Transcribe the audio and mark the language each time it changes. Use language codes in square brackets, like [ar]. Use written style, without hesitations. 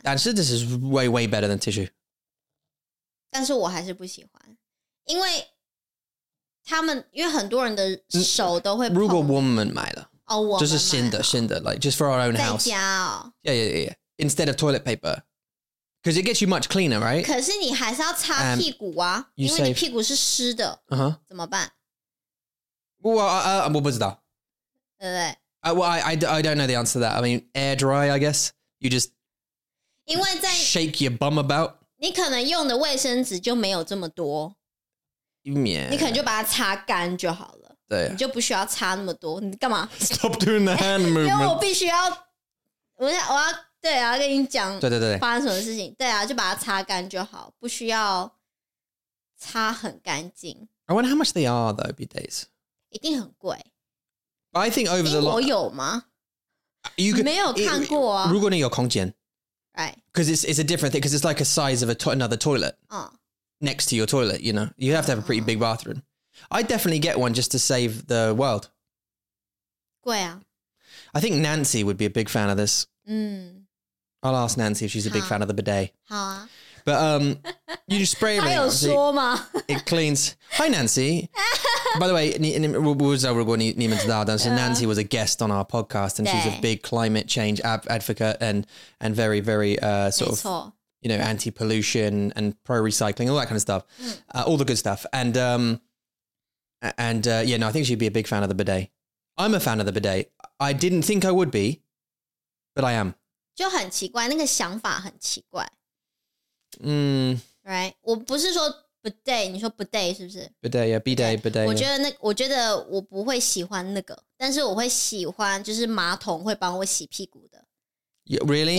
[zh] 但是 [en] this is way way better than tissue。 [zh] 但是我还是不喜欢，因为他们因为很多人的手都会碰。如果我们买了。哦、oh, ，就是新的，新的 ， [en] like just for our own house， [zh] 在家哦 [en] ，yeah yeah yeah， instead of toilet paper， because it gets you much cleaner， right？ [zh] 可是你还是要擦屁股啊， [en] you [zh] 因为你屁股是湿的，嗯哼，怎么办？我不知道，对不对 [en] ？I don't know the answer to that. I mean, air dry, I guess. You just [zh] 因为在 [en] shake your bum about， [zh] 你可能用的卫生纸就没有这么多， [en] yeah. [zh] 你可能就把它擦干就好了。对你就不需要擦那么多你干嘛 [en] Stop doing the hand movement [zh] 因为我必须要我要对啊跟你讲对对对发生什么事情对啊就把它擦干就好不需要擦很干净 [en] I wonder how much they are though bidets [zh] 一定很贵 [en] I think over the [zh] long 我有吗 [en] you could, [zh] 没有看过啊如果你有空间 [en] Right Because it's a different thing Because it's like a size of another toilet、Next to your toilet you know You have to have a pretty big bathroomI definitely get one just to save the world. [zh] 贵啊 [en] I think Nancy would be a big fan of this. 嗯 I'll ask Nancy if she's a big fan of the bidet. [zh] 好啊 [en] But you just spray everything. [zh] 她有说吗 [en] It cleans. Hi Nancy. By the way, [zh] 我不知道如果你们知道但是 [en] Nancy was a guest on our podcast and she's a big climate change advocate and very, very sort of, you know, anti-pollution and pro-recycling, all that kind of stuff. All the good stuff. And, yeah, no, I think she'd be a big fan of the bidet. I'm a fan of the bidet. I didn't think I would be, but I am. [zh] 就很奇怪，那个想法很奇怪。嗯、mm. ， [en] Right， [zh] 我不是说 bidet， 你说 bidet 是不是 [en] ？Bidet， yeah， bidet， bidet。 [zh] 我觉得那，我觉得我不会喜欢那个，但是我会喜欢就是马桶会帮我洗屁股的。 [en] Yeah, really？